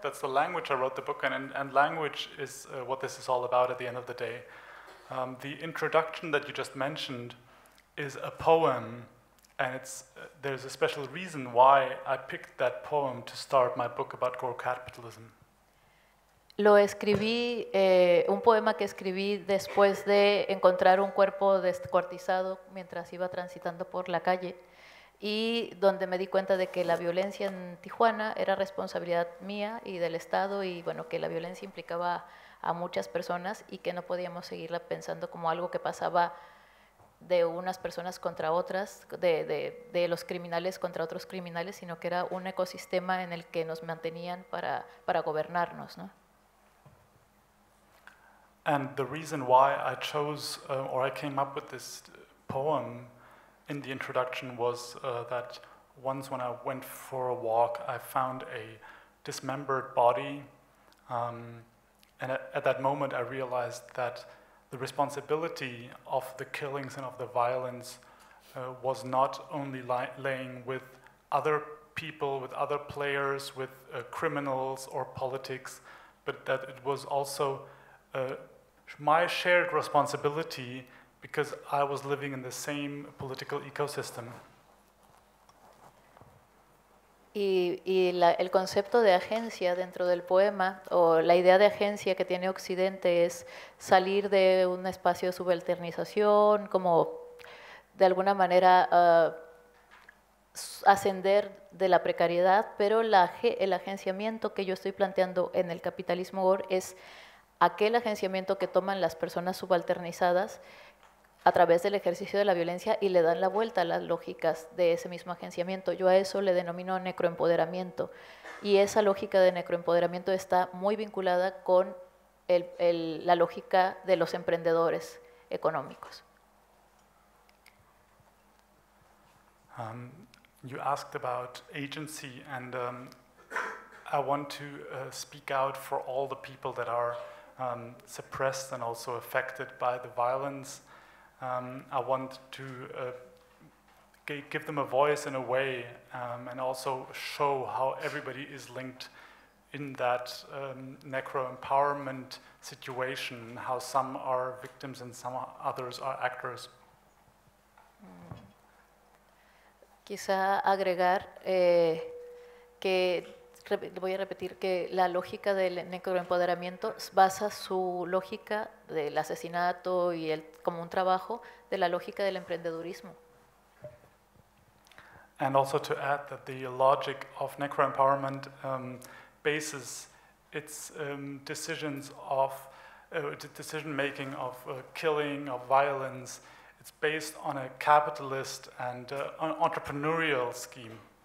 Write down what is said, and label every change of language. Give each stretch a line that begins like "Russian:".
English: That's the language I wrote the book in, and language is what this is all about at the end of the day. The introduction that you just mentioned is a poem, and it's there's a special reason why I picked that poem to start my book about Gore Capitalism.
Spanish: Lo escribí, un poema que escribí después de encontrar un cuerpo descuartizado mientras iba transitando por la calle. y donde me di cuenta de que la violencia en Tijuana era responsabilidad mía y del Estado y bueno, que la violencia implicaba a muchas personas y que no podíamos seguirla pensando como algo que pasaba de unas personas contra otras, de los criminales contra otros criminales, sino que era un ecosistema en el que nos mantenían para gobernarnos, ¿no?
English: And the reason why I chose or I came up with this poem in the introduction was that once when I went for a walk, I found a dismembered body. And at that moment, I realized that the responsibility of the killings and of the violence was not only laying with other people, with other players, with criminals or politics, but that it was also my shared responsibility because I was living in the same political ecosystem.
Spanish: Y la, el concepto de agencia dentro del poema o la idea de agencia que tiene Occidente es salir de un espacio de subalternización, como de alguna manera ascender de la precariedad, pero el agenciamiento que yo estoy planteando en el capitalismo Gore es aquel agenciamiento que toman las personas subalternizadas a través del ejercicio de la violencia y le dan la vuelta a las lógicas de ese mismo agenciamiento. Yo a eso le denomino necroempoderamiento. Y esa lógica de necroempoderamiento está muy vinculada con la lógica de los emprendedores económicos.
English: You asked about agency, and I want to speak out for all the people that are suppressed and also affected by the violence. I want to give them a voice in a way and also show how everybody is linked in that necro-empowerment situation, how some are victims and some others are actors.
Spanish: Quizá agregar que voy a repetir que la lógica del necroempoderamiento basa su lógica del asesinato y el, como un trabajo de la lógica del emprendedurismo.
English: And also to add that the logic of necroempowerment bases its decisions of decision making of killing, of violence, it's based on a capitalist and an entrepreneurial scheme.